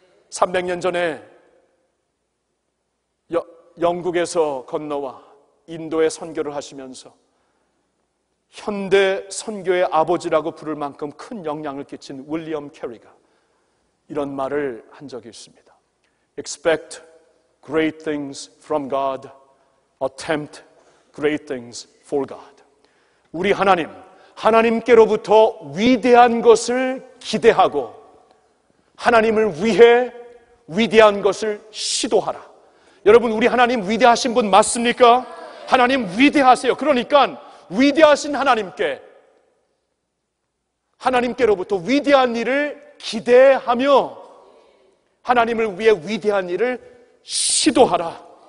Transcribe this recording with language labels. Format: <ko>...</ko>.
<ko>300년 전에 영국에서 건너와 인도에 선교를 하시면서 현대 선교의 아버지라고 부를 만큼 큰 영향을 끼친 윌리엄 캐리가 이런 말을 한 적이 있습니다.</ko> <en>Expect great things from God, attempt great things for God.</en> <ko>우리 하나님, 하나님께로부터 위대한 것을 기대하고 하나님을 위해 위대한 것을 시도하라. 여러분, 우리 하나님 위대하신 분 맞습니까? 하나님 위대하세요. 그러니까 위대하신 하나님께 하나님께로부터 위대한 일을 기대하며 하나님을 위해 위대한 일을 시도하라.</ko>